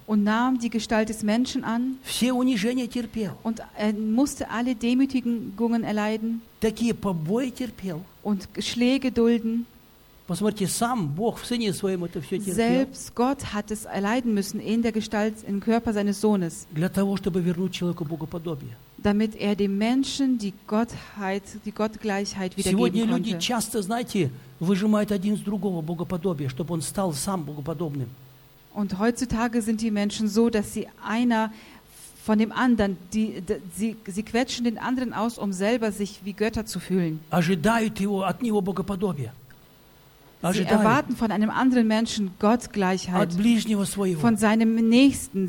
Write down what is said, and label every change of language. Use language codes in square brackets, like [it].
[de] Und nahm die Gestalt des Menschen an. [ru] Все унижения терпел. [de] Und er musste alle Demütigungen erleiden. [ru] Такие побои терпел. [de] Und Schläge dulden. [ru] Посмотрите, сам Бог в Сыне Своем это все терпел. [de] Selbst Gott hat es erleiden müssen in der Gestalt, im Körper seines Sohnes. [ru] Для того, чтобы вернуть человеку богоподобие. [de] Damit er dem Menschen die Gottheit, die Gottgleichheit wiedergeben konnte. [ru] Сегодня люди часто, знаете, выжимают один из другого богоподобие, чтобы он стал сам богоподобным. [de] Und heutzutage sind die Menschen so, dass sie einer von dem anderen, sie quetschen den anderen aus, um selber sich wie Götter zu fühlen. [ru] Ожидают его от него богоподобие. [de] Sie erwarten von einem anderen Menschen Gottgleichheit, von seinem Nächsten.